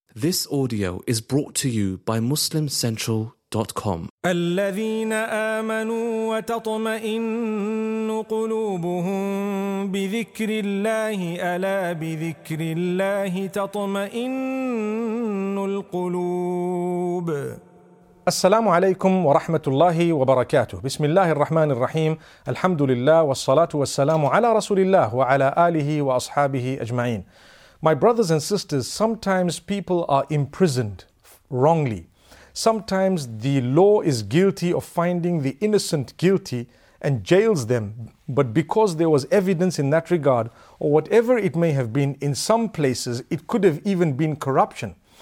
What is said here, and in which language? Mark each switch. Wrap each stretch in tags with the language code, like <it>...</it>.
<en>This audio is brought to you by MuslimCentral.com.</en> <ar>الذين آمنوا وتطمئن قلوبهم بذكر الله ألا بذكر الله تطمئن القلوب. السلام عليكم ورحمة الله وبركاته. بسم الله الرحمن الرحيم. الحمد لله والصلاة والسلام على رسول الله وعلى آله وأصحابه أجمعين.</ar> <en>My brothers and sisters, sometimes people are imprisoned wrongly. Sometimes the law is guilty of finding the innocent guilty and jails them. But because there was evidence in that regard, or whatever it may have been, in some places it could have even been corruption.</en>